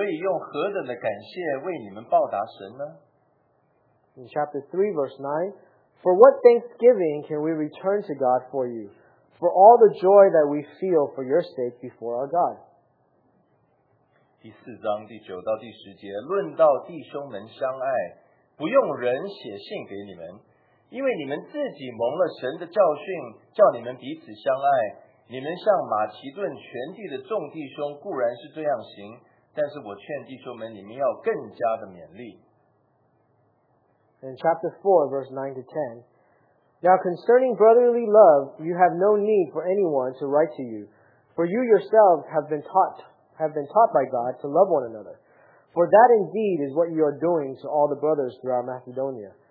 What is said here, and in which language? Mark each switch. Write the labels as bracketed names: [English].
[Chinese] 第三章第九节，保罗说：“我们在神的面前，因着你们甚是喜乐，就是非常的喜乐。我们为这一切的喜乐，可以用何等的感谢为你们报答神呢？” [English] In chapter 3, verse 9, For what thanksgiving can we return to God for you, for all the joy that we feel for your sake before our God? [Chinese] 第四章第九到第十节，论到弟兄们相爱。不用人写信给你们，因为你们自己蒙了神的教训，叫你们彼此相爱。你们向马其顿全地的众弟兄固然是这样行，但是我劝弟兄们，你们要更加的勉励。In [English] chapter 4, verse 9 to 10, Now concerning brotherly love, you have no need for anyone to write to you, for you yourselves have been taught by God to love one another. For that indeed is what you are doing to all the brothers throughout Macedonia.